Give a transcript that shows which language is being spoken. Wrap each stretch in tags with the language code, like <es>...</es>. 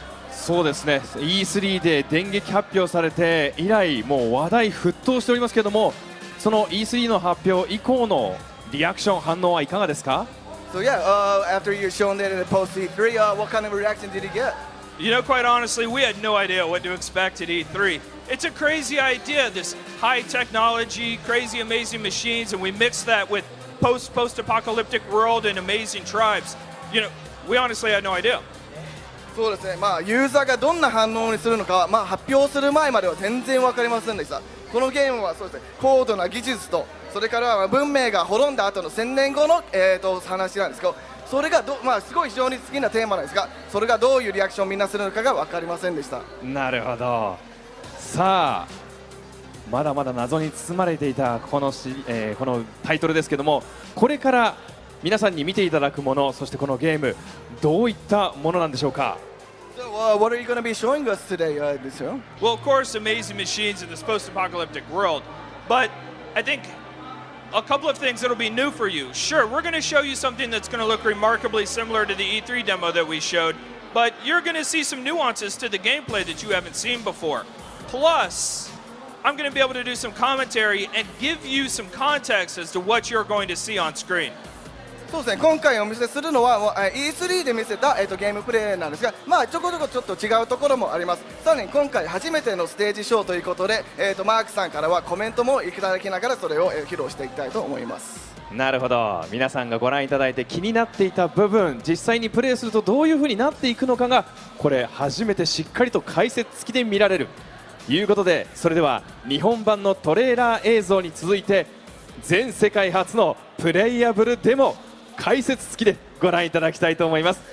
<ja>そうですね、 E3 で電撃発表されて以来もう話題沸騰しておりますけれども、その E3 の発表以降のリアクション反応はいかがですか？</ja> <en>So yeah, after you shown that in the post E3, what kind of reaction did you get? You know, quite honestly, we had no idea what to expect at E3. It's a crazy idea, this high technology, crazy amazing machines, and we mix that with post-apocalyptic world and amazing tribes. You know, we honestly had no idea.</en> <ja>そうですね、まあユーザーがどんな反応にするのかは、まあ発表する前までは全然わかりませんでした。このゲームはそうですね、高度な技術とそれからは文明が滅んだ後の千年後の、話なんですけど、それがまあ、すごい非常に好きなテーマなんですが、それがどういうリアクションをみんなするのかが分かりませんでした。なるほど。さあ、まだまだ謎に包まれていたこのタイトルですけども、これから皆さんに見ていただくもの、そしてこのゲーム、どういったものなんでしょうか？</ja> <en>What are you going to be showing us today, this show? Well, of course, amazing machines in this post-apocalyptic world. But I think a couple of things that will be new for you. Sure, we're going to show you something that's going to look remarkably similar to the E3 demo that we showed. But you're going to see some nuances to the gameplay that you haven't seen before. Plus, I'm going to be able to do some commentary and give you some context as to what you're going to see on screen.</en> <ja>そうですね、今回お見せするのは E3 で見せた、ゲームプレイなんですが、まあ、ちょこちょこちょっと違うところもあります。さらに今回初めてのステージショーということで、マークさんからはコメントもいただきながらそれを、披露していきたいと思います。なるほど、皆さんがご覧いただいて気になっていた部分、実際にプレイするとどういう風になっていくのかが、これ初めてしっかりと解説付きで見られるということで、それでは日本版のトレーラー映像に続いて全世界初のプレイアブルデモ解説付きでご覧いただきたいと思います。</ja>